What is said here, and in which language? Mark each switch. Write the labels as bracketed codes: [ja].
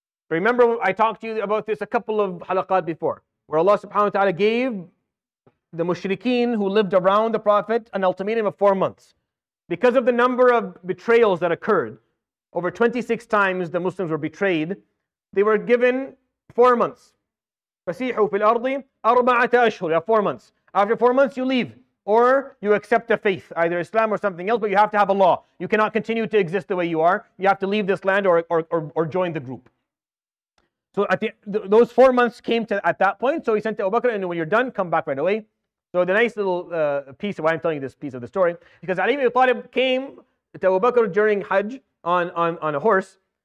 [en] Remember, I talked to you about this a couple of halaqat before, where Allah subhanahu wa ta'ala gave the mushrikeen who lived around the Prophet an ultimatum of 4 months. Because of the number of betrayals that occurred, over 26 times the Muslims were betrayed, they were given 4 months. [ar] فَسِيحُوا فِي الْأَرْضِ أَرْبَعَةَ أَشْهُرِ [en] 4 months. After 4 months, you leave. Or you accept a faith, either Islam or something else, but you have to have a law. You cannot continue to exist the way you are. You have to leave this land or join the group. So at those 4 months came to at that point. So he sent to Abu Bakr, and when you're done, come back right away. So the nice little piece of why I'm telling you this piece of the story, because Ali ibn Abi Talib came to Abu Bakr during Hajj on a horse.